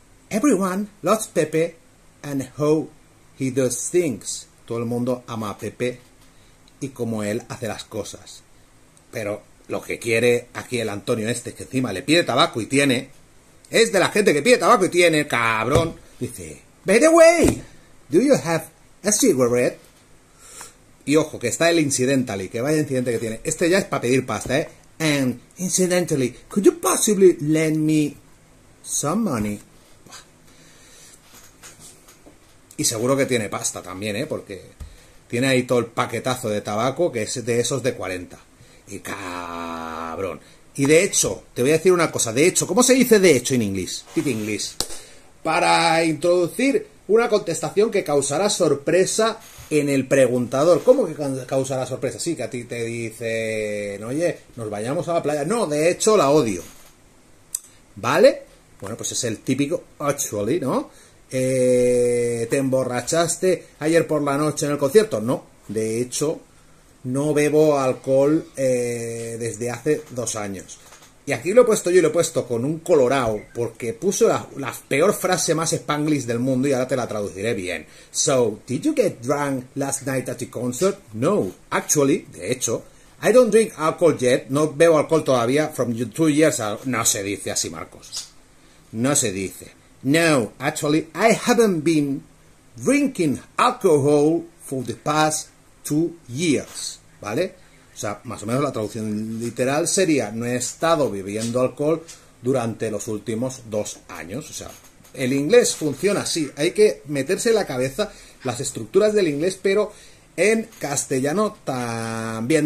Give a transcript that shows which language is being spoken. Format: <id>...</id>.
<en>Everyone loves Pepe and how he does things.</en> <es>Todo el mundo ama a Pepe y cómo él hace las cosas. Pero lo que quiere aquí el Antonio este, que encima le pide tabaco y tiene, es de la gente que pide tabaco y tiene, cabrón.</es> <en>Dice, by the way, do you have a cigarette?</en> <es>Y ojo, que está el incidentally, que vaya incidente que tiene. Este ya es para pedir pasta, ¿eh?</es> <en>And incidentally, could you possibly lend me some money?</en> <es>Y seguro que tiene pasta también, ¿eh? Porque tiene ahí todo el paquetazo de tabaco que es de esos de 40. Y cabrón. Y de hecho, te voy a decir una cosa. De hecho, ¿cómo se dice de hecho en inglés? Fit inglés. Para introducir una contestación que causará sorpresa en el preguntador. ¿Cómo que causará sorpresa? Sí, que a ti te dicen, oye, nos vayamos a la playa. No, de hecho, la odio. ¿Vale? Bueno, pues es el típico actually, ¿no? ¿Te emborrachaste ayer por la noche en el concierto? No, de hecho, no bebo alcohol desde hace 2 años. Y aquí lo he puesto yo y lo he puesto con un colorao, porque puse la peor frase más Spanglish del mundo y ahora te la traduciré bien.</es> <en>So, did you get drunk last night at the concert? No, actually,</en> <es>de hecho,</es> <en>I don't drink alcohol yet,</en> <es>no bebo alcohol todavía,</es> <en>from 2 years ago.</en> <es>No se dice así, Marcos. No se dice.</es> <en>No, actually, I haven't been drinking alcohol for the past 2 years.</en> <es>¿Vale? O sea, más o menos la traducción literal sería: no he estado bebiendo alcohol durante los últimos 2 años. O sea, el inglés funciona así. Hay que meterse en la cabeza las estructuras del inglés, pero en castellano también.</es>